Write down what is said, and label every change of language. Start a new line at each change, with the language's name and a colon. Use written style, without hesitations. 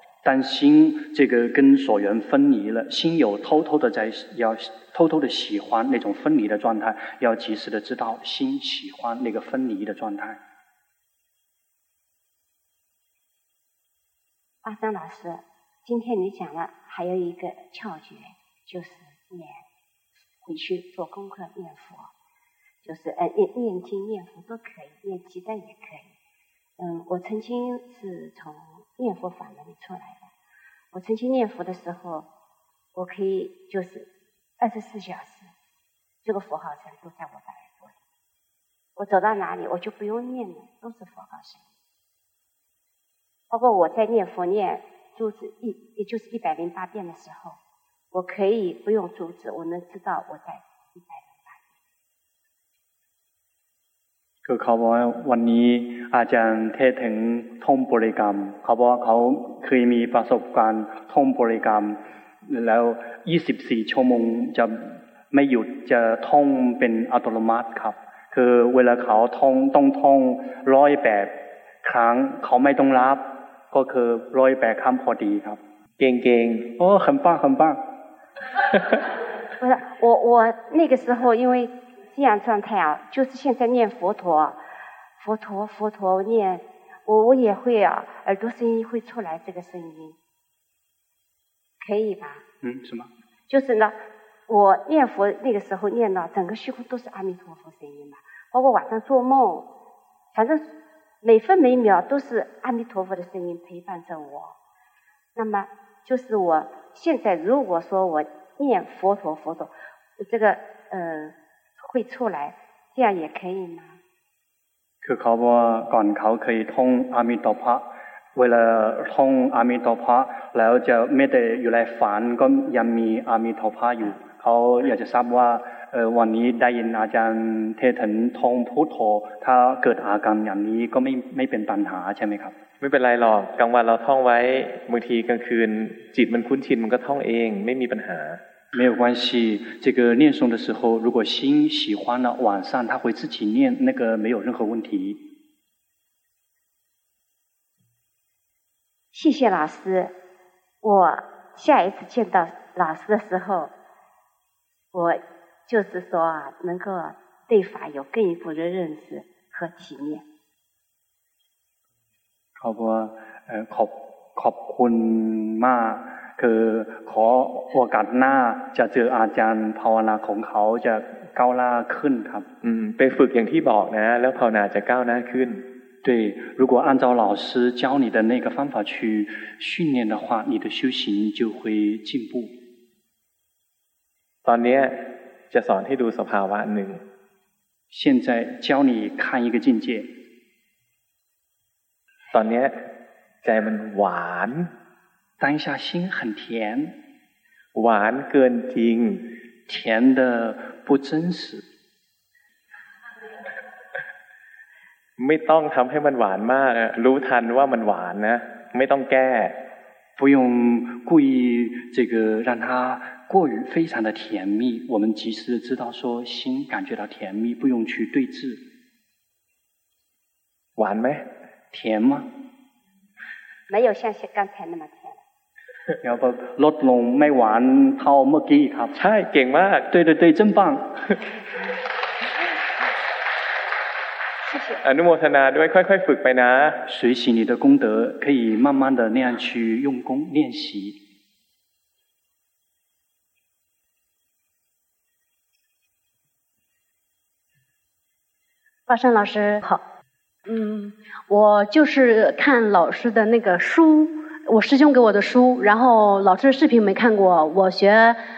Chinese: 当心这个跟所缘分离了，心有偷偷的在要偷偷的喜欢那种分离的状态，要及时的知道心喜欢那个分离的状态。阿桑老师，今天你讲了还有一个窍诀。就是念，回去做功课念佛，就是念经念佛都可以，念鸡蛋也可以。我曾经是从念佛法门里出来的，我曾经念佛的时候，我可以就是24小时，这个佛号声都在我的耳朵里，我走到哪里我就不用念了，都是佛号声。包括我在念佛念就是也就是108遍的时候。我可以不用阻止，我能知道我在108遍。
Thai: คือเขาบอกว่าวันนี้อาจารย์เทศถึงท่องบริกรรมเขาบอกว่าเขาเคยมีประสบการณ์ท่องบริกรรมแล้ว24 ชั่วโมงจะไม่หยุดจะท่องเป็นอัตโนมัติครับคือเวลาเขาท่องต้องท่อง108 ครั้งเขาไม่ต้องรับก็คือ108 ครั้งพอดีครับ เก่ง
Chinese: ๆโอ้很棒很棒不是我那个时候因为这样状态啊，就是现在念佛陀，佛陀佛陀念，我也会啊，耳朵声音会出来这个声音，可以吧？嗯，什么？就是呢，我念佛那个时候念到整个虚空都是阿弥陀佛声音嘛，包括晚上做梦，反正每分每秒都是阿弥陀佛的声音陪伴着我。那么就是我。现在如果说我念佛陀佛陀这个会出来这样也可以吗
Thai: คือเขาบอกว่าก่อนเขาเคยท่องอามิตพะเวลาท่องอามิตพะแล้วจะไม่ได้อยู่ในฝันก็ยังมีอามิตพะอยู่เขาอยากจะทราบว่าวันนี้ได้ยินอาจารย์เทศถึงท่องพุทโธถ้าเกิดอาการอย่างนี้ก็ไม่เป็นปัญหาใช่ไหมครับ ไม่เป็นไรหรอกกลางวันเราท่องไว้บางทีกลางคืนจิตมันคุ้นชินมันก็ท่องเองไม่มีปัญหา
Chinese: 没有关系这个念诵的时候如果心喜欢了晚上它会自己念那个没有任何问题谢谢老师我下一次见到老师的时候我就是说能够对法有更一步的认识和体验
Thai: เขาบอกว่าขอบคุณมาก คือขอโอกาสหน้าจะเจออาจารย์ภาวนาของเขาจะก้าวหน้าขึ้นครับ ไปฝึกอย่างที่บอกนะแล้วภาวนาจะก้าวหน้าขึ้น
Chinese: 对如果按照老师教你的那个方法去训练的话你的修行就会进步
Thai: ตอนนี้จะสอนให้ดูสภาวะหนึ่ง
Chinese: 现在教你看一个境界
Thai: ตอนนี้ใจมันหวาน
Chinese: 当下心很甜
Thai: หวานเกินจริง
Chinese: 甜的不真实
Thai: ไม่ต้องทำให้มันหวานมากรู้ทันว่ามันหวานนะไม่ต้องแก้
Chinese: 不用故意这个让它过于非常的甜蜜我们及时知道说心感觉到甜蜜不用去对治
Thai: หวานไหม
Chinese: 甜吗没有像刚才那么甜要不
Thai: ลดลงไม่หวานเท่าเมื่อกี้ครับ ใช่เก่งมาก
Chinese: 对对对真棒
Thai: อนุโมทนาด้วยค่อยๆฝึกไปนะ
Chinese: 随喜你的功德可以慢慢的那样去用功练习法善老师好我就是看老师的那个书我师兄给我的书然后老师的视频没看过我学